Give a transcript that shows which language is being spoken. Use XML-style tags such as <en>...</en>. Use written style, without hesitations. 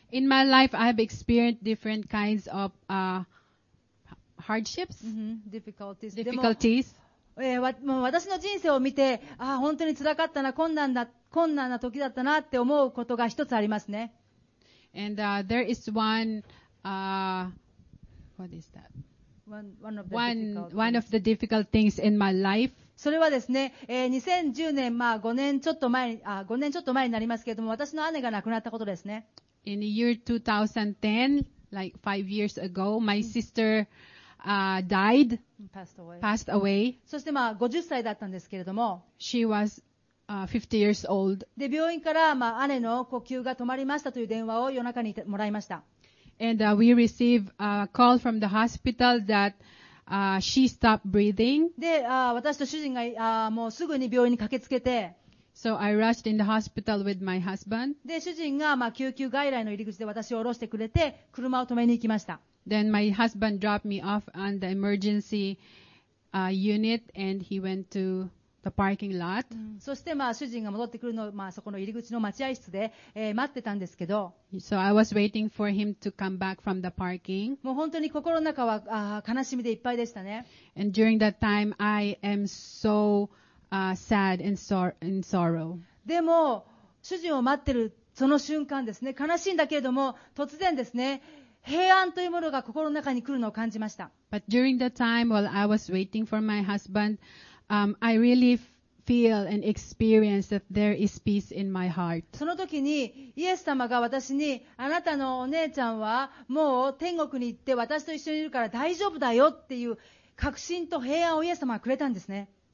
<en>In my life, I have experienced different kinds of hardships, difficulties.</en> <ja>もう私の人生を見て、ああ、本当に辛かったな、困難な時だったなって思うことが一つありますね。</ja> <en>And there is one, what is that? One of the difficult things in my life.</en> <ja>それはですね、2010年、まあ5年ちょっと前になりますけれども、私の姉が亡くなったことですね。</ja> <en>In the year 2010, like 5 years ago, my sister, died. Passed away.</en> <ja>そしてまあ50歳だったんですけれども。</ja> <en>She was, 50 years old.</en> <ja>で、病院からまあ姉の呼吸が止まりましたという電話を夜中にもらいました。</ja> <en>And we receive a call from the hospital that she stopped breathing.</en> <ja>で、私と主人がもうすぐに病院に駆けつけて。</ja> <en>So I rushed in the hospital with my husband.</en> <ja>で、主人がまあ救急外来の入り口で私を降ろしてくれて、車を止めに行きました。</ja> <en>Then my husband dropped me off on the emergency unit and he went to the parking lot.</en> <ja>そしてまあ主人が戻ってくるのをまあそこの入り口の待合室で待ってたんですけど。</ja> <en>So I was waiting for him to come back from the parking.</en> <ja>もう本当に心の中は悲しみでいっぱいでしたね。</ja> <en>And during that time, I am so sad and sorrow.</en> <ja>でも主人を待ってるその瞬間ですね、悲しいんだけれども突然ですね、平安というものが心の中に来るのを感じました。</ja> <en>But during that time, while I was waiting for my husband,I really feel and experience that there is peace in my heart.</en> <ja>その時にイエス様が私にあなたのお姉ちゃんはもう天国に行って私と一緒にいるから大丈夫だよっていう確信と平安をイエス様がくれたんですね。</ja>